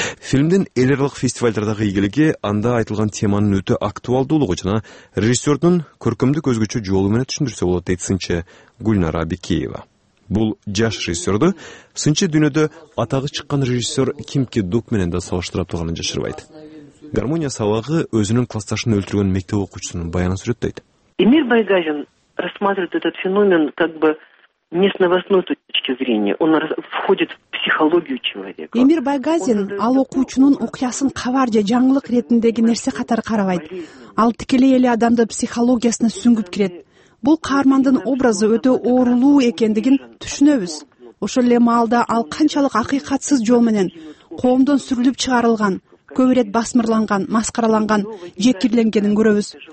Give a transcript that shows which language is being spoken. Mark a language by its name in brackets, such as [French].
[Kyrgyz] Фильмдин эл аралык фестивалдардагы ийгилиги анда айтылган теманын өтө актуалдуулугу жана режиссердун көркөмдүк өзгөчө жолу менен түшүндүрсө болот, дейт сынчы Гүлнара Бекеева. Бул жаш режиссерду сынчы дүйнөдө атагы чыккан режиссер Кимки Дук менен да салыштыра турганын жашырбайт. «Гармония сабагы» өзүнүн классташын өлтүргөн мектеп окуучусунун баянын сүрөттөйт. [Russian] Эмир Байгазин рассматривает этот феномен как бы не с новостной точки зрения, он входит в психологию человека. [Kyrgyz] Эмир Байгазин ал окуучунун окуясын кабар же жаңылык иретиндеги нерсе катары карабайт. Ал тикелей эле адамды психологиясына сүңгүп кирет. Бул каармандын образы өтө оорулуу экендигин түшүнөбүз. Ошол эле маалда ал канчалык акыйкатсыз жол менен коомдон сүрүлүп чыгарылган, көбүрөөк басмырланган, маскараланган, жекирленгенин көрөбүз.